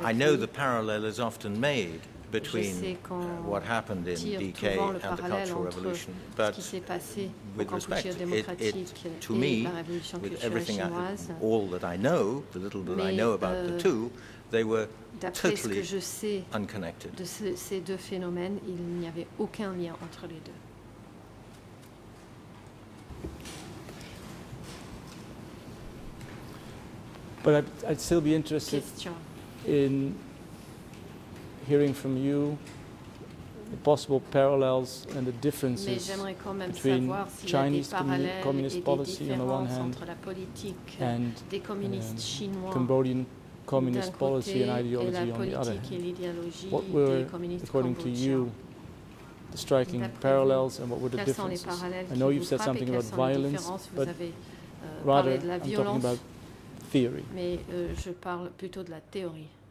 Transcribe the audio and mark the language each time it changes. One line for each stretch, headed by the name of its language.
English: I know the parallel is often made between what happened in DK and the Cultural Revolution, but with respect, it to me, with everything all that I know, the little that I know about the two, they were totally unconnected.
French: Ces deux phénomènes, il n'y avait aucun lien entre les deux.
English: But I'd still be interested in hearing from you the possible parallels and the differences between Chinese communist policy on the one hand and Cambodian communist policy and ideology on the other hand. What were, according to you, the striking parallels and what were the differences? I know you've said something about violence, but rather I'm talking about theory.
French: Mais je parle plutôt de la théorie.